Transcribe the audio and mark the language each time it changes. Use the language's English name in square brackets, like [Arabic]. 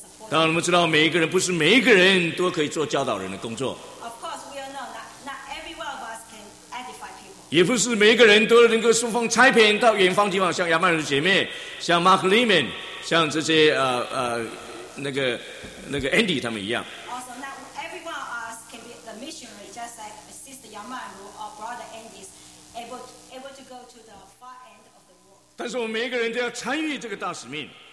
[Chinese] 当然我们知道每一个人，不是每一个人都可以做教导人的工作。 [English] Of course, we all know not every one of us can edify people. [Chinese] 也不是每一个人都能够送奉差遣到远方地方，像亚曼尔的姐妹，像 Mark Lehman， 像这些那个 Andy 他们一样。 [English] Also, not every one of us can be the missionary, just like Sister Yaman or Brother Andy is able to go to the far end of the world. [Chinese] 但是我们每一个人都要参与这个大使命。